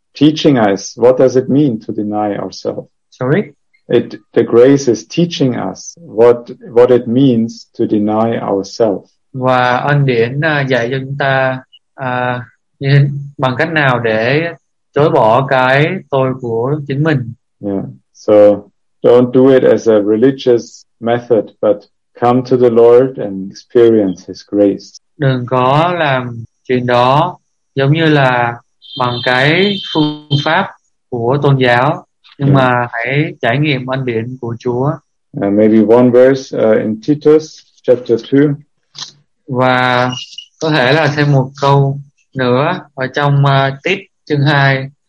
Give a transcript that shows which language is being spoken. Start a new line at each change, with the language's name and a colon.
English: Teaching us, what does it mean to deny ourselves? Sorry? The grace is teaching us what it means to deny ourselves.
Vietnamese: Và ân điển dạy cho chúng ta như bằng cách nào để chối bỏ cái tôi của chính mình.
English: Yeah. So don't do it as a religious method, but come to the Lord and experience His grace.
Vietnamese: Đừng có làm chuyện đó giống như là bằng cái phương pháp của tôn giáo, nhưng yeah. mà hãy trải nghiệm ân điển của Chúa.
English: Maybe one verse in Titus chapter 2.
Vietnamese: Và có thể là thêm một câu nữa ở trong Tít chương 2.